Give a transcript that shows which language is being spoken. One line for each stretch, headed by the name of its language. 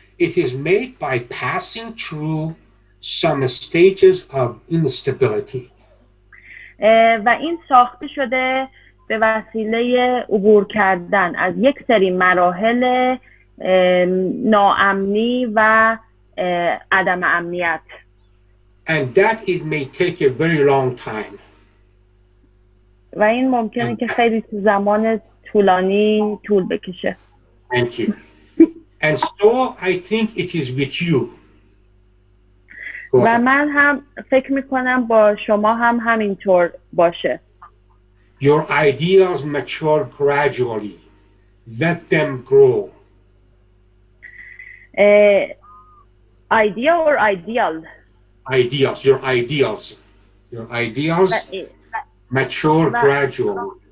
English: It is made by passing through some stages of instability.
Persian: و این ساخته شده به وسیله عبور کردن از یک سری مراحل ناامنی و عدم امنیت.
English: And that it may take a very long time.
Persian: و این ممکنه که خیلی زمان طولانی طول بکشه.
English: Thank you. And so I think it is with you.
Persian: و من هم فکر میکنم با شما هم همینطور باشه.
English: Your ideas mature gradually. Let them grow. Idea or ideal? Ideas. Your ideas. Your ideas mature gradually.